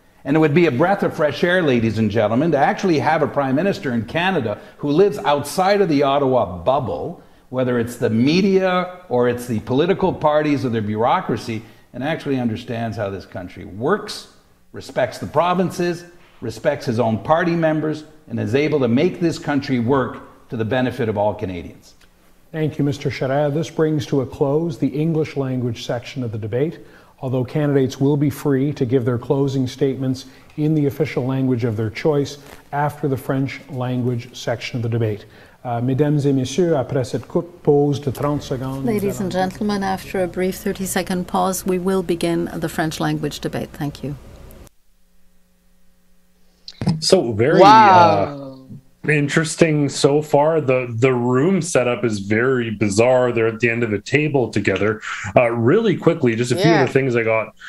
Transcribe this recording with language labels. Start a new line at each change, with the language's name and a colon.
English: And it would be a breath of fresh air, ladies and gentlemen, to actually have a prime minister in Canada who lives outside of the Ottawa bubble, whether it's the media or it's the political parties or their bureaucracy, and actually understands how this country works, respects the provinces, respects his own party members, and is able to make this country work to the benefit of all Canadians. Thank you, Mr. Sharaya. This brings to a close the English language section of the debate. Although candidates will be free to give their closing statements in the official language of their choice after the French language section of the debate.
French: Mesdames et messieurs, après cette courte pause de 30 secondes...
English: Ladies and gentlemen, after a brief 30-second pause, we will begin the French language debate. Thank you. So very interesting so far. The room setup is very bizarre. They're at the end of a table together. Really quickly, just a few of the things I got.